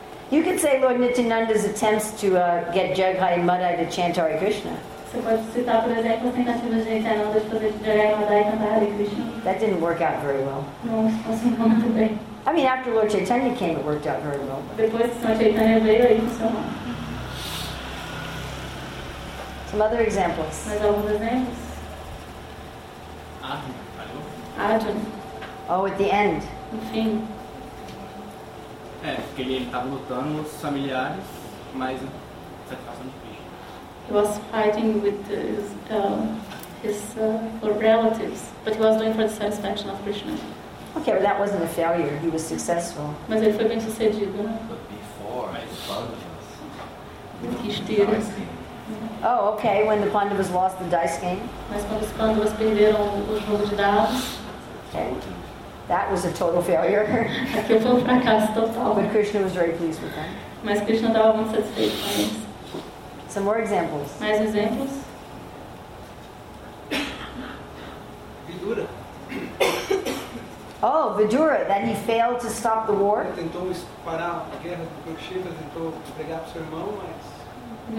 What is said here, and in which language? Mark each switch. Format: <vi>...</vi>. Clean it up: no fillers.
<en>You could say Lord Nityananda's attempts to get Jaghai and Madhai to chant Hare Krishna.</en> <pt>Você pode citar, por exemplo, as tentativas de Nityananda de fazer Jagai Madai e cantar Hare Krishna.</pt> <en>That didn't work out very well.</en> <pt>Não funcionou muito bem.</pt> <en>I mean, after Lord Chaitanya came, it worked out very well.</en> <pt>Depois que Sr. Chaitanya veio, aí funcionou.</pt> <en>Some other examples.</en> <pt>Mais alguns exemplos?</pt> <en>Arjuna. Oh, at the end.</en> <pt>Enfim. É, porque ele estava lutando os familiares, mas satisfação de</pt> <en>He was fighting with his relatives, but he was doing for the satisfaction of Krishna. Okay, but that wasn't a failure. He was successful.</en> <pt>Mas ele foi bem sucedido, né?</pt> <en>But before, I thought it was... Oh, okay, when the Pandavas lost the dice game.</en> <pt>Mas quando os Pandavas perderam o jogo de dados.</pt> <en>Okay. That was a total failure.</en> <pt>Aquilo foi um fracasso total.</pt> <en>But Krishna was very pleased with that.</en> <pt>Mas Krishna estava muito satisfeito com isso.</pt> <en>Some more examples.</en> <pt>Mais exemplos.</pt> <en>Vidura. Oh, Vidura, that he failed to stop the war.</en> <pt>Ele tentou parar a guerra do Kurukshetra, tentou pegar pro seu irmão, mas...</pt>